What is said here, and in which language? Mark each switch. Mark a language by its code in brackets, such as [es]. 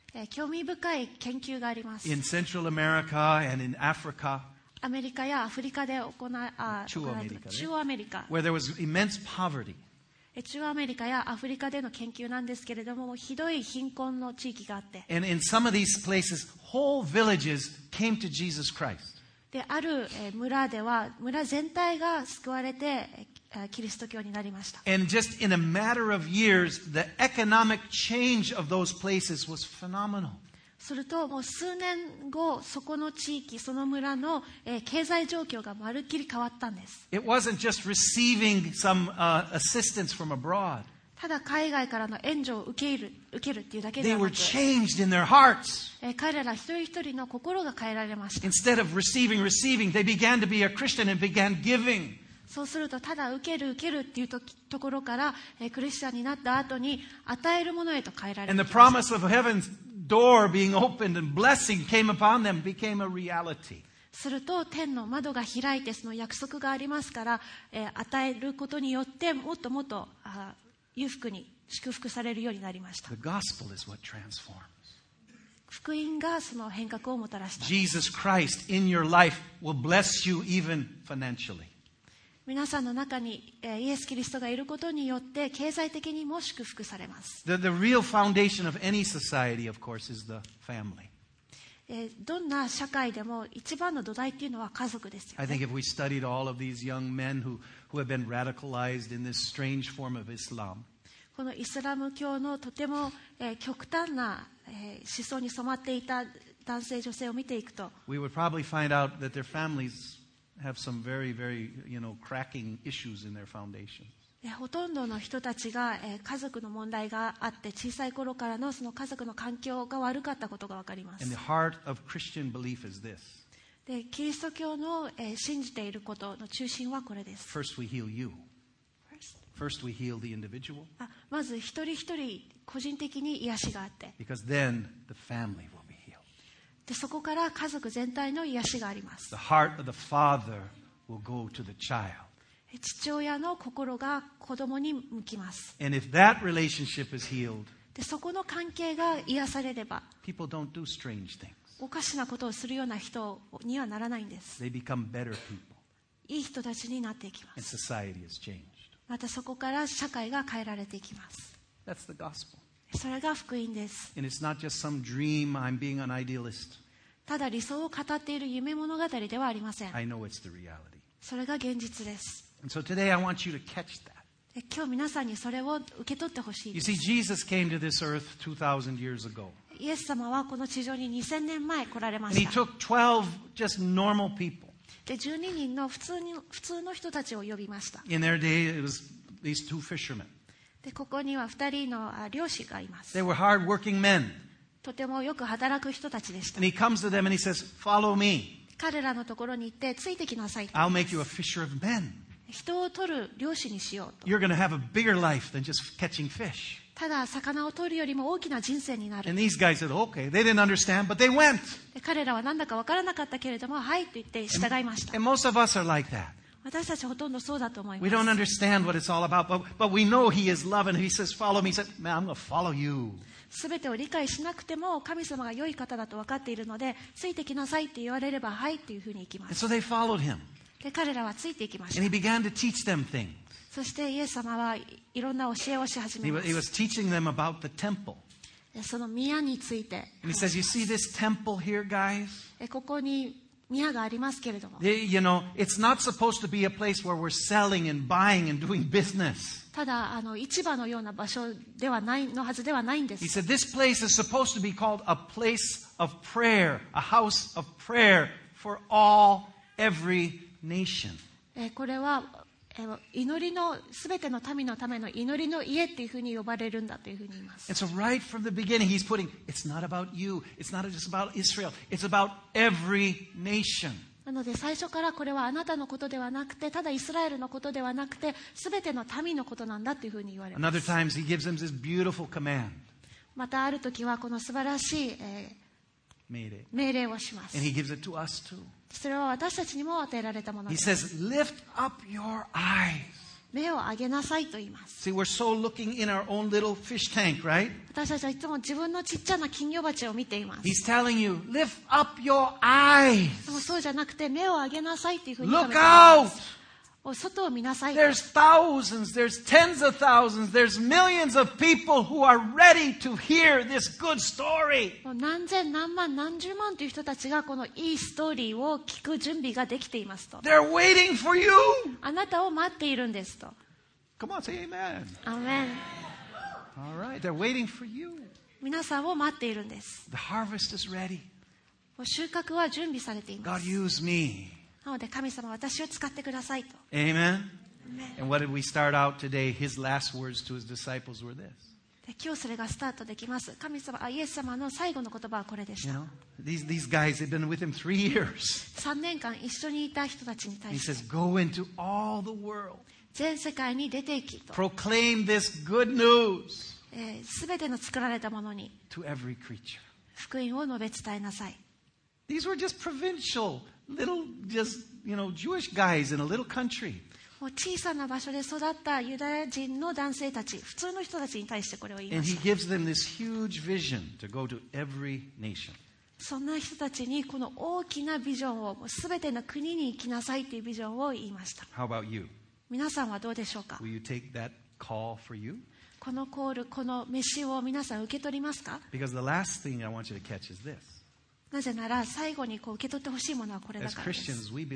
[ja] 興味深い研究があります。 [en] In Central America and in Africa, [ja] アメリカやアフリカで行われた中央アメリカ、ね、中央アメリカ [en] where there was immense poverty. [ja] 中央アメリカやアフリカでの研究なんですけれど もひどい貧困の地域があって、 [en] And in some of these places, whole villages came to Jesus Christ. [ja] で、ある村では村全体が救われてキリスト教になりました。 [en] And just in a matter of years, the economic change of those places was phenomenal. [ja] すると、もう数年後、そこの地域、その村の経済状況がまるっきり変わったんです。 [en] It wasn't just receiving some assistance from abroad. [ja] ただ海外からの援助を受けるっていうだけではなく、 [en] They were changed in their hearts. [ja] 彼ら一人一人の心が変えられました。 [en] Instead of receiving, they began to be a Christian and began giving. [ja] そうするとただ受けるっていう ところから、クリスチャンになった後に与えるものへと変えられる。 [en] And the promise of heaven's door being opened and blessing came upon them became a reality. [ja] すると天の窓が開いてその約束がありますから、与えることによってもっともっと裕福に祝福されるようになりました。 [en] The gospel is what transforms. [ja] 福音がその変革をもたらした。 [en] Jesus Christ in your life will bless you even financially. [ja] 皆さんの中にイエス・キリストがいることによって経済的にも祝福されます。 [en] the real foundation of any society, of course, is the family. [ja] どんな社会でも一番の土台っていうのは家族ですよね。 [en] I think if we studied all of these young men who have been radicalized in this strange form of Islam, [ja] このイスラム教のとても極端な思想に染まっていた男性女性を見ていくと、 [en] we would probably find out that their families have some very, very, you know, cracking issues in their foundation. [ja] ほとんどの人たちが家族の問題があって小さい頃からのその家族の環境が悪かったことがわかります。 [en] And the heart of Christian belief is this. [ja] で、キリスト教の信じていることの中心はこれです。 [en] First we heal you. First we heal the individual. [ja] まず一人一人個人的に癒しがあって。 [en] Because then the family will. [ja] でそこから家族全体の癒しがあります。 [en] The heart of the father will go to the child. [ja] 父親の心が子供に向きます。 [en] And if that relationship is healed, [ja] でそこの関係が癒されれば、 [en] People don't do strange things. [ja] おかしなことをするような人にはならないんです。 [en] They become better people. [ja] いい人たちになっていきます。 [en] And society has changed. [ja] またそこから社会が変えられていきます。 [en] That's the gospel. [ja] それが福音です。 [en] And it's not just some dream. I'm being an idealist. [ja] ただ理想を語っている夢物語ではありません。 [en] I know it's the reality. [ja] それが現実です。 [en] And so today I want you to catch that. [ja] 今日皆さんにそれを受け取ってほしいです。 [en] You see, Jesus came to this earth 2,000 years ago. [ja] イエス様はこの地上に2000年前来られました。 [en] And he took 12 just normal people. [ja] で、12人の普通の人たちを呼びました。 [en] In their day, it was these two fishermen. [ja] でここには二人の漁師がいます。 [en] They were hard-working men. [ja] とてもよく働く人たちでした。 [en] And he comes to them and he says, "Follow me." [ja] 彼らのところに行ってついてきなさい。 [en] I'll make you a fisher of men. [ja] 人を取る漁師にしようと。 [en] You're going to have a bigger life than just catching fish. [ja] ただ魚を取るよりも大きな人生になる。 [en] And these guys said, "Okay." They didn't understand, but they went. [ja] 彼らはなんだかわからなかったけれども、はいと言って従いました。 [en] And most of us are like that. [ja] 私たちほとんどそうだと思います。 [en] We don't understand what it's all about, but we know He is love, and He says, "Follow me." He said, "Man, I'm going to follow you." [ja] 全てを理解しなくても神様が良い方だと分かっているので、ついてきなさいって言われればはいっていうふうに行きます。 [en] And so they followed him. [ja] で彼らはついていきました。 [en] And he began to teach them things. [ja] そしてイエス様はいろんな教えをし始めます。 [en] He was teaching them about the temple. [ja] その宮について。 [en] And he says, "You see this temple here, guys?" [ja] ここに宮がありますけれども、 [en] you know, it's not supposed to be a place where we're selling and buying and doing business. [ja] ただ市場のような場所ではないのはずではないんです。 [en] He said this place is supposed to be called a place of prayer, a house of prayer for all every nation. [ja] これは祈りのすべての民のための祈りの家っていうふうに呼ばれるんだというふうに言います。 [en] And so right from the beginning, he's putting, it's not about you, it's not just about Israel, it's about every nation. [ja] なので最初からこれはあなたのことではなくて、ただイスラエルのことではなくて、すべての民のことなんだというふうに言われます。 [en] Another time, he gives them this beautiful command. [ja] またある時はこの素晴らしい、命令をします。 [en] And he gives it to us too. [ja] それは私たちにも与えられたものです。 [en] He says, "Lift up your eyes." [ja] 目を上げなさいと言います。 [en] See, we're so looking in our own little fish tank, right? [ja] 私たちはいつも自分のちっちゃな金魚鉢を見ています。 [en] He's telling you, lift up your eyes. [ja] でもそうじゃなくて目を上げなさいというふうに言っています。 [en] Look out! [ja] 外を見なさい。 [en] There's thousands, there's tens of thousands, there's millions of people who are ready to hear this good story. [ja] 何千何万何十万という人たちがこのいいストーリーを聞く準備ができていますと。 [en] They're waiting for you. [ja] あなたを待っているんですと。 [en] Come on, say amen. Amen. All right, they're waiting for you. [ja] 皆さんを待っているんです。 [en] The harvest is ready. [ja] 収穫は準備されています。 [en] God, use me. [ja] なので神様は私を使ってくださいと。 [en] Amen. And what did we start out today? His last words to his disciples were this. [ja] 今日それがスタートできます。神様、イエス様の最後の言葉はこれでした。 [en] You know, these guys had been with him 3 years. [ja] 3年間一緒にいた人たちに対して。 [en] He says, "Go into all the world." [ja] 全世界に出て行きと。 [en] Proclaim this good news. [ja] すべての作られたものに。 [en] To every creature. [ja] 福音を述べ伝えなさい。 [en] These were just provincial. Little, just, you know, Jewish guys in a little country. [ja] もう小さな場所で育ったユダヤ人の男性たち、普通の人たちに対してこれを言いました [en] 。And he gives them this huge vision to go to every nation. [ja] そんな人たちにこの大きなビジョンを、もう全ての国に行きなさいというビジョンを言いました。 [en] How about you? [ja] 皆さんはどうでしょうか? [en] Will you take that call for you? [ja] このコール、この召しを皆さん受け取りますか? [en] Because the last thing I want you to catch is this. [ja] なぜなら最後にこう受け取ってほしいものはこれだからです。